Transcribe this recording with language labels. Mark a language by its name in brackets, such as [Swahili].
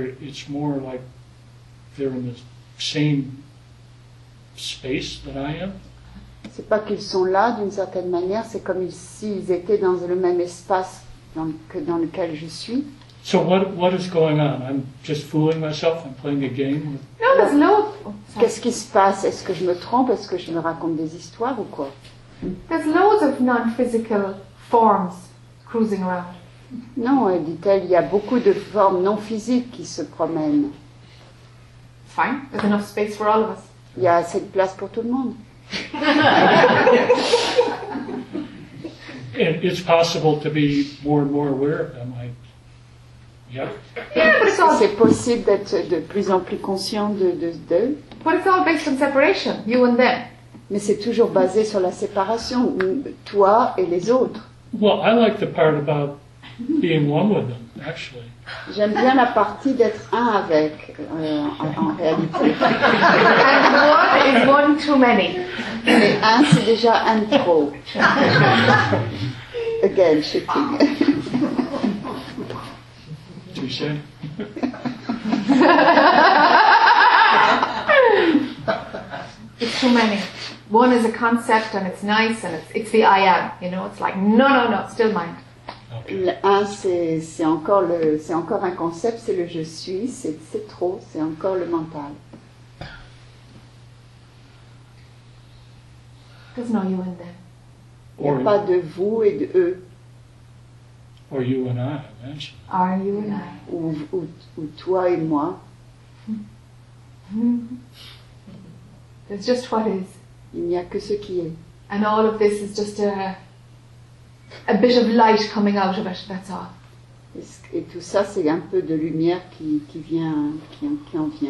[English] It's more like they're in the same space that I am. [French] C'est pas qu'ils sont là d'une certaine manière. C'est comme s'ils étaient dans le même espace dans lequel je suis. [English] So what is going on? I'm just fooling myself. I'm playing a game. No, there's no. [French] Qu'est-ce qui se passe? Est-ce que je me trompe? Est-ce que je me raconte des histoires ou quoi? [English] There's loads of non-physical forms cruising around. [French] Non, dit-elle, il y a beaucoup de formes non physiques qui se promènent. [English] Fine, there's enough space for all of us. [French] Il y a assez de place pour tout le monde. [English] And it's possible to be more and more aware of them. Yeah. Yeah, [French] c'est possible d'être de plus en plus conscient d'eux. [English] But it's all based on separation, you and them. [French] Mais c'est toujours basé sur la séparation, toi et les autres. [English] Well, I like the part about being one with them, actually. [French] J'aime bien la partie d'être un avec, en réalité. [English] And one is one too many. [French] Mais un, c'est déjà un trop. [English] Again, shooting. It's too many. One is a concept and it's nice and it's the I am, you know, it's like no, still mine. Okay. [French] Un c'est encore un concept, c'est le je suis, c'est trop, c'est encore le mental. [English] There's no you and them. [French] Or il y a pas de vous et de eux. [English] Or you and I, imagine. Are you and I? [French] Ou toi et moi. [English] It's just what is. [French] Il n'y a que ce qui est. [English] And all of this is just a bit of light coming out of it, that's all. [French] Et tout ça, c'est un peu de lumière qui vient, qui en vient.